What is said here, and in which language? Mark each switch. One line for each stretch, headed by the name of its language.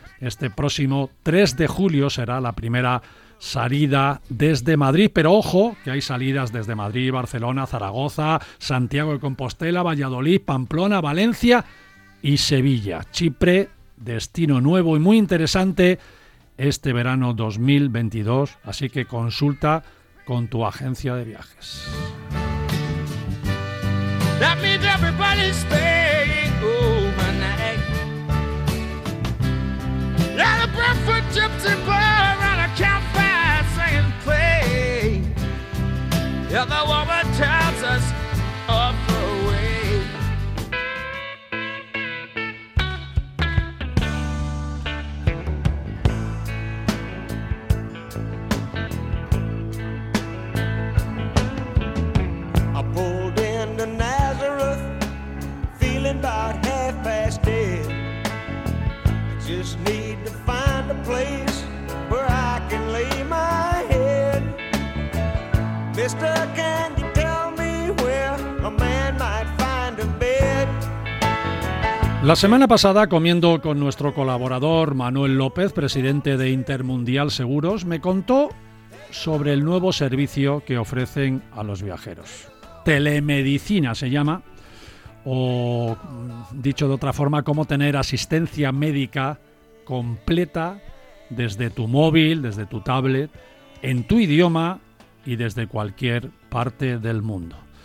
Spanish: Este próximo 3 de julio será la primera salida desde Madrid, pero ojo que hay salidas desde Madrid, Barcelona, Zaragoza, Santiago de Compostela, Valladolid, Pamplona, Valencia y Sevilla. Chipre, destino nuevo y muy interesante este verano 2022, así que consulta con tu agencia de viajes.
English: That means everybody's staying overnight. Light a breath for gypsy boy around a campfire singing play. Yeah, the woman tells us of the way. I pulled in the night. About half past dead. I just need to find a place where I can lay my head. Mister, can you tell me where a man might find a bed?
Spanish: La semana pasada, comiendo con nuestro colaborador Manuel López, presidente de Intermundial Seguros, me contó sobre el nuevo servicio que ofrecen a los viajeros. Telemedicina se llama. O, dicho de otra forma, cómo tener asistencia médica completa desde tu móvil, desde tu tablet, en tu idioma y desde cualquier parte del mundo.